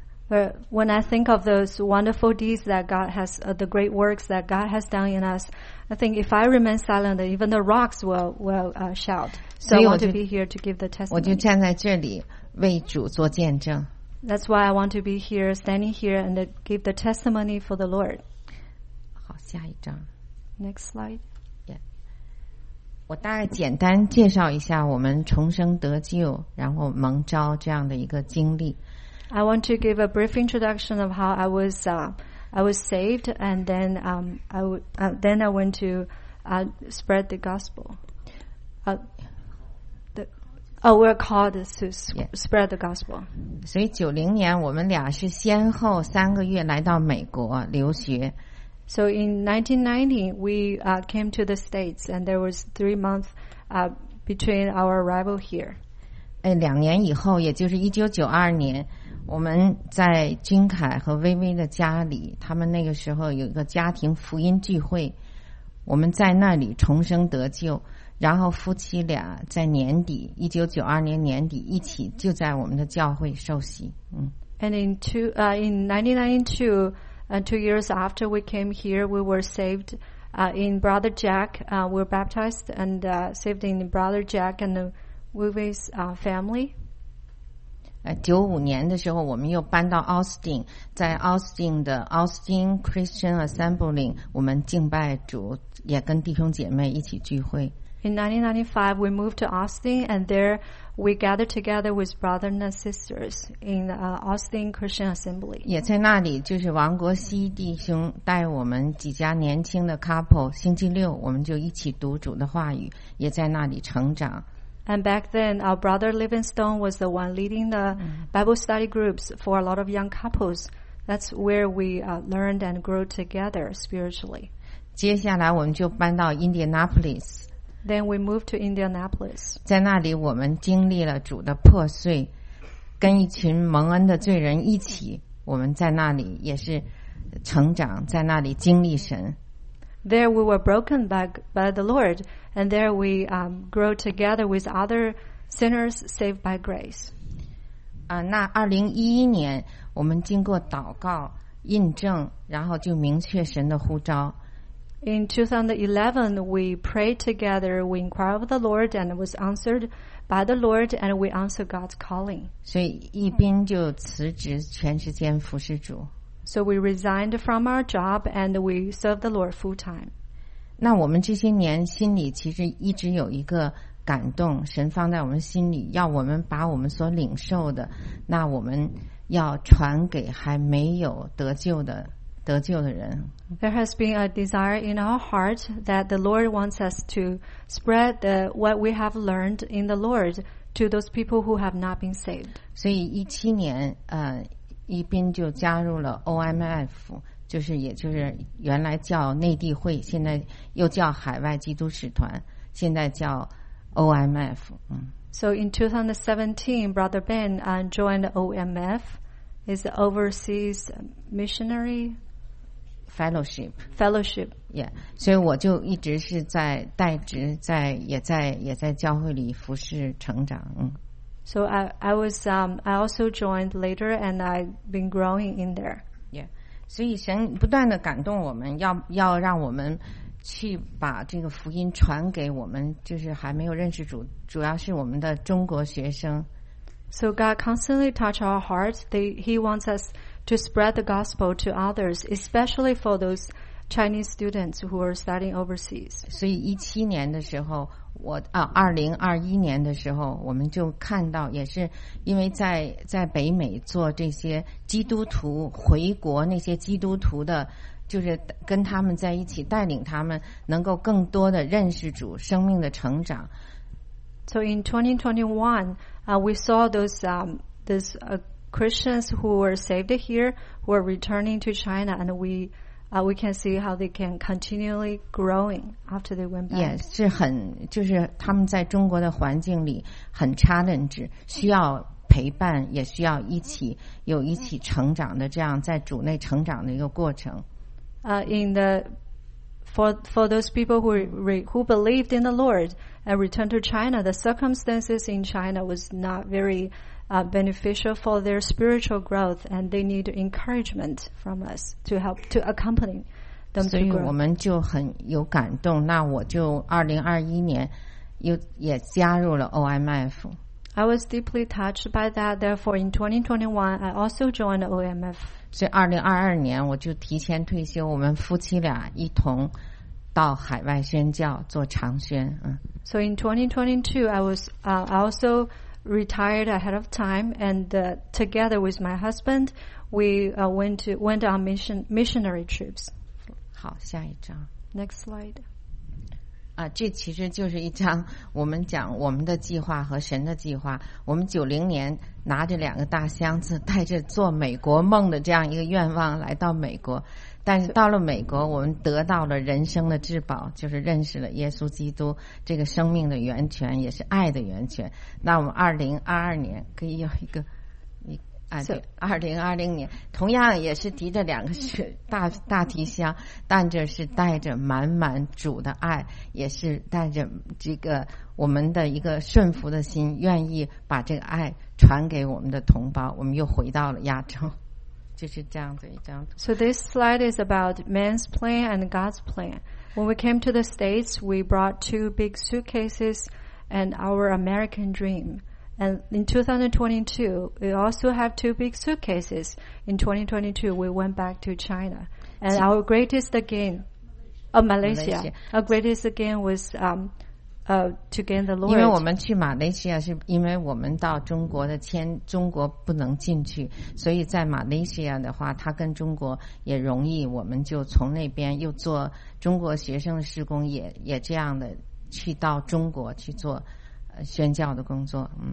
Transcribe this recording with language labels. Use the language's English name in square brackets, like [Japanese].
[English] when I think of those wonderful deeds that God has, the great works that God has done in us, I think if I remain silent, even the rocks will shout. So I want to be here to give the testimony. [Chinese] 我就站在这里为主做见证。 [English] That's why I want to be here, standing here, and give the testimony for the Lord. [Chinese] 好，下一张。 [English] Next slide. Yeah. [Chinese] 我大概简单介绍一下我们重生得救，然后蒙召这样的一个经历。 [English] I want to give a brief introduction of how I was saved, and then I went to spread the gospel. We're called to spread the gospel. [Chinese] 所以90年我们俩是先后三个月来到美国留学。 [English] So in 1990, we came to the States, and there was 3 months between our arrival here. [Chinese] 两年以后，也就是1992年。我们在君凯和薇薇的家里，他们那个时候有一个家庭福音聚会，我们在那里重生得救，然后夫妻俩在年底1992年年底一起就在我们的教会受洗。 [English] And in 1992, two years after we came here, we were saved in Brother Jack. We were baptized and saved in Brother Jack and Vivi's family. [Chinese] 95年的时候我们又搬到 Austin， 在 Austin 的 Austin Christian Assembly 我们敬拜主，也跟弟兄姐妹一起聚会。 [English] In 1995 we moved to Austin, and there we gathered together with brothers and sisters in Austin Christian Assembly. [Chinese] 也在那里就是王国熙弟兄带我们几家年轻的 couple， 星期六我们就一起读主的话语，也在那里成长。 [English] And back then, our brother Livingstone was the one leading the Bible study groups for a lot of young couples. That's where we learned and grew together spiritually. [Chinese] 接下来我们就搬到 Indianapolis. [English] Then we moved to Indianapolis. [Chinese] 在那里我们经历了主的破碎，跟一群蒙恩的罪人一起，我们在那里也是成长，在那里经历神。 [English] There we were broken by the Lord, and there we grow together with other sinners saved by grace. [Chinese] 那2011年我们经过祷告印证，然后就明确神的呼召。 [English] In 2011, we prayed together, we inquired of the Lord, and it was answered by the Lord, and we answered God's calling. [Chinese] 所以一边就辞职全时间服侍主。 [English] So we resigned from our job and we served the Lord full time. [Chinese] 那我们这些年心里其实一直有一个感动，神放在我们心里，要我们把我们所领受的，那我们要传给还没有得救的人。 [English] There has been a desire in our heart that the Lord wants us to spread what we have learned in the Lord to those people who have not been saved. [Chinese] 所以17年一斌就加入了 OMF， 就是原来叫内地会，现在又叫海外基督使团，现在叫 OMF。 [English] So in 2017, Brother Ben joined OMF, is the Overseas Missionary Fellowship. [Chinese] Yeah， 所以我就一直是在代职，也在教会里服侍成长。 [English] So I was I also joined later and I've been growing in there. Yeah. [Chinese] 所以神不断的感动我们，要让我们去把这个福音传给我们，就是还没有认识主，主要是我们的中国学生。 [English] So God constantly touch our hearts. He wants us to spread the gospel to others, especially for those Chinese students who are studying overseas. [Chinese] 所以17年的时候。 2021年的时候我们就看到，也是因为在北美做这些基督徒回国，那些基督徒的就是跟他们在一起带领他们能够更多的认识主，生命的成长。 [English] So in 2021 we saw those Christians who were saved here who are returning to China, and we can see how they can continually growing after they went back. [Chinese] Yes, 是很就是他们在中国的环境里很 challenge， 需要陪伴，也需要一起成长的，这样在主内成长的一个过程。 [English] For those people who believed in the Lord and returned to China, the circumstances in China was not very beneficial for their spiritual growth, and they need encouragement from us to help to accompany them to grow. [Chinese] 所以我们就很有感动，那我就2021年又也加入了 OMF。 [English] I was deeply touched by that. Therefore, in 2021, I also joined OMF. [Chinese] 所以2022年我就提前退休，我们夫妻俩一同到海外宣教做长宣。 [English] So in 2022, I was also retired ahead of time, and together with my husband, we went on missionary trips. [Chinese] 好，下一张。 [English] Next slide. [Chinese] 这其实就是一张我们讲我们的计划和神的计划。我们90年拿着两个大箱子，带着做美国梦的这样一个愿望来到美国，但是到了美国我们得到了人生的至宝，就是认识了耶稣基督，这个生命的源泉也是爱的源泉。那我们2022年可以有一个2020年同样也是提着两个大提箱，但这是带着满满主的爱，也是带着这个我们的一个顺服的心，愿意把这个爱传给我们的同胞，我们又回到了亚洲，就是这样子一张图。 [English] So this slide is about man's plan and God's plan. When we came to the States, we brought two big suitcases and our American dreamAnd in 2022, we also have two big suitcases. In 2022, we went back to China. And our greatest gain, Malaysia. Our greatest gain was to gain the Lord. [Chinese] 因为我们去马来西亚是因为我们到中国的签，中国不能进去，所以在马来西亚的话，它跟中国也容易，我们就从那边又做中国学生的事工，也这样的去到中国去做宣教的工作。